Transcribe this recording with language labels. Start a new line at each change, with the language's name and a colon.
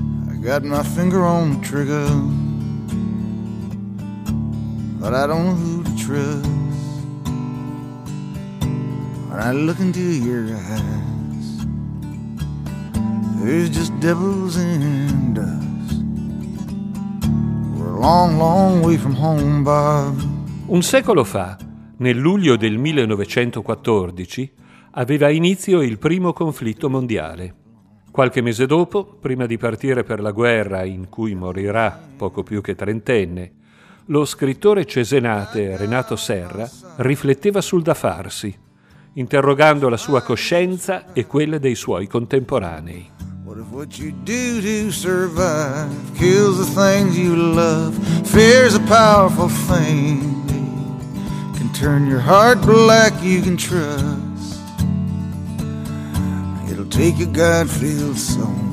English: I got my finger on the trigger, but I don't know who to trust. When I look into your eyes, there's just devils in dust. We're a long, long way from home, Bob.
Italian: Un secolo fa, nel luglio del 1914, aveva inizio il primo conflitto mondiale. Qualche mese dopo, prima di partire per la guerra in cui morirà poco più che trentenne, lo scrittore cesenate Renato Serra rifletteva sul da farsi, interrogando la sua coscienza e quelle dei suoi contemporanei.
English: What if what you do to survive kills the things you love? Fear's a powerful thing. Can turn your heart black, you can trust. It'll take a God-filled soul.